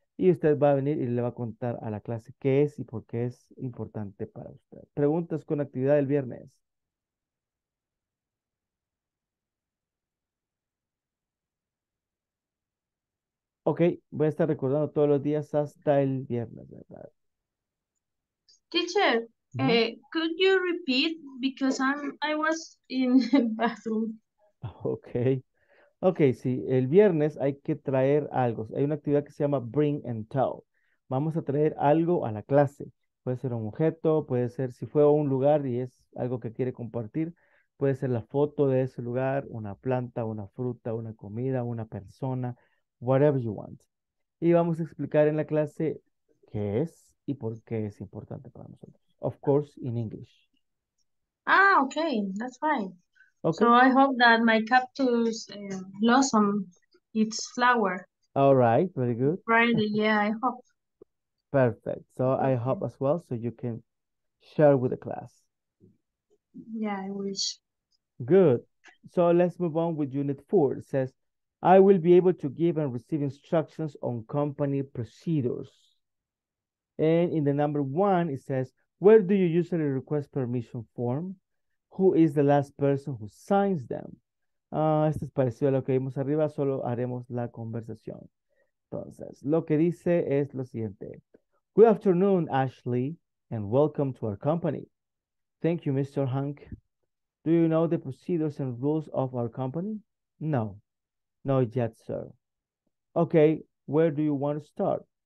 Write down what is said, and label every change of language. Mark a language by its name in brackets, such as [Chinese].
[Spanish] Y usted va a venir y le va a contar a la clase qué es y por qué es importante para usted. ¿Preguntas con actividad del viernes? Ok, voy a estar recordando todos los días hasta el viernes, ¿verdad? [English] Teacher, could you repeat because I was in the bathroom. [Spanish] Okay, sí, el viernes hay que traer algo. Hay una actividad que se llama Bring and Tell. Vamos a traer algo a la clase. Puede ser un objeto, puede ser si fue a un lugar y es algo que quiere compartir. Puede ser la foto de ese lugar, una planta, una fruta, una comida, una persona, [English] whatever you want. [Spanish] Y vamos a explicar en la clase qué es y por qué es importante para nosotros. [English] Of course, in English. Ah, okay, that's fine. Okay. So I hope that my cactus blossom its flower. All right, very good. Friday, yeah, I hope. Perfect. So okay. I hope as well, so you can share with the class. Yeah, I wish. Good. So let's move on with unit 4. It says, I will be able to give and receive instructions on company procedures. And in the number one, it says, where do you usually request permission form? Who is the last person who signs them? [Spanish] Esto es parecido a lo que vimos arriba, solo haremos la conversación. Entonces, lo que dice es lo siguiente. [English] Good afternoon, Ashley, and welcome to our company. Thank you, Mr. Hank. Do you know the procedures and rules of our company? No, not yet, sir. Okay, where do you want to start?